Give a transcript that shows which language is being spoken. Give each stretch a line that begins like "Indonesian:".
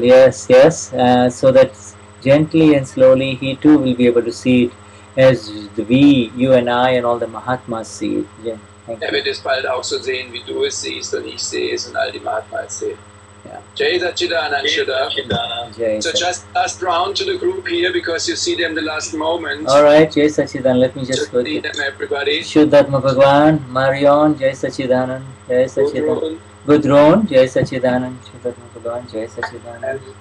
English: yes, so that gently and slowly he too will be able to see it as you and I and all the Mahatmas see it. Yeah, thank you.
German: Er wird es bald auch so sehen, wie du es siehst und ich sehe es und all die Mahatmas sehen.
English: Yeah. Jai Satchidanand, Shuddha. So just last round to the group here because you see them the last moment. All right, Jai Satchidanand, let me just go. See them, everybody. Shuddhatma Bhagwan, Marion, Jai Satchidanand, Jai Satchidanand. Gudrun, Jai Satchidanand, Shuddhatma Bhagwan, Jai Satchidanand.